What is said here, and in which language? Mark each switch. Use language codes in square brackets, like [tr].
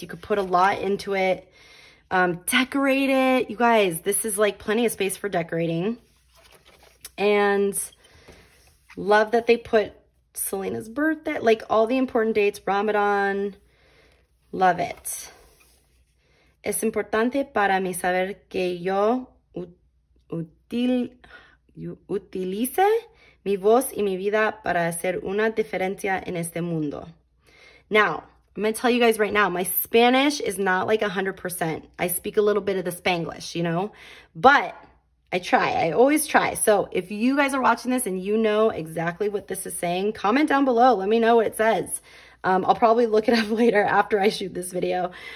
[en] You could put a lot into it. Decorate it. You guys, this is like plenty of space for decorating. And love that they put Selena's birthday, like all the important dates, Ramadan. Love it. [es] Es importante para mí saber que yo utilice mi voz y mi vida para hacer una diferencia en este mundo. [en] Now, I'm going to tell you guys right now, my Spanish is not like 100%. I speak a little bit of the Spanglish, you know, but I try. I always try. So if you guys are watching this and you know exactly what this is saying, comment down below. Let me know what it says. I'll probably look it up later after I shoot this video.